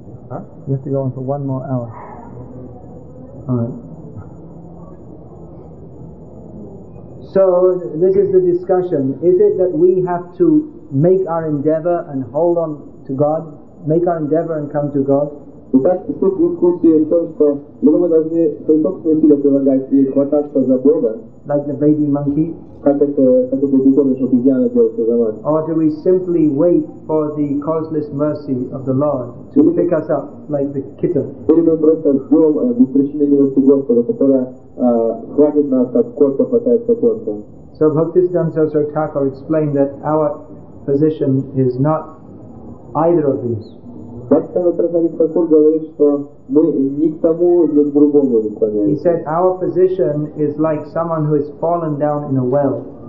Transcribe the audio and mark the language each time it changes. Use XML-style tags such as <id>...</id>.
<en>Huh? You have to go on for one more hour. So this is the discussion. Is it that we have to make our endeavor and hold on to God, make our endeavor and come to God?</en> <ru>Итак, суть дискуссии в том, что либо мы должны свои собственные усилия прилагать и хвататься за Бога,</ru> <en>like the baby monkey,</en> <ru>как это детеныш обезьяны делает за нас,</ru> <en>or do we simply wait for the causeless mercy of the Lord to pick us up like the kitten?</en> <ru>Или мы просто ждем беспричинной милости Господа, которая хватит нас, как кошка хватает котенка?</ru> <en>So Bhaktisiddhanta Sarasvati Thakur explained that our position is not either of these. He said, our position is like someone who has fallen down in a well.</en>